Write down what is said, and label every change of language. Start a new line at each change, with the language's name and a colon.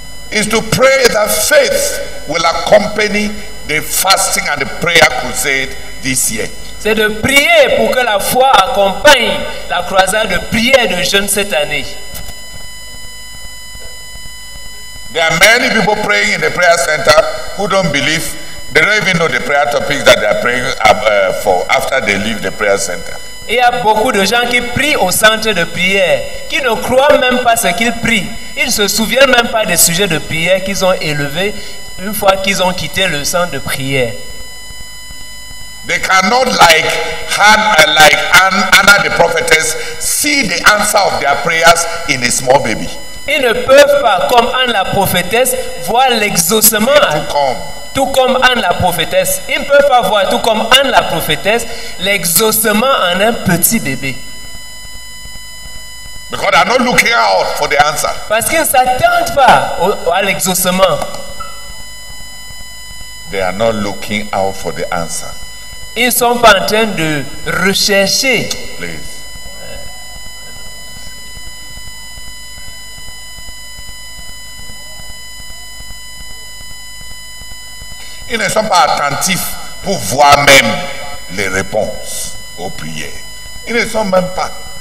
English: Is to pray that faith will accompany the fasting and the prayer crusade this year.
French: C'est de prier pour que la foi accompagne la croisade de prière de jeûne cette année.
English: There are many people praying in the prayer center who don't believe. They don't even know the prayer topics that they are praying for after they leave the prayer center.
French: Il y a beaucoup de gens qui prient au centre de prière, qui ne croient même pas ce qu'ils prient. Ils ne se souviennent même pas des sujets de prière qu'ils ont élevés une fois qu'ils ont quitté le centre de prière.
English: They cannot Anna the prophetess see the answer of their prayers in a small baby.
French: Ils ne peuvent pas, comme Anne la prophétesse, voir l'exaucement. Tout comme Anne la prophétesse, ils ne peuvent pas voir, tout comme Anne la prophétesse, l'exaucement en un petit bébé.
English: Because they are not looking out for the answer.
French: Parce qu'ils ne s'attendent pas à l'exaucement.
English: They are not looking out for the answer.
French: Ils ne sont pas en train de rechercher.
English: Please.
French: Ils ne sont pas attentifs pour voir même les réponses aux prières. Ils ne sont même pas.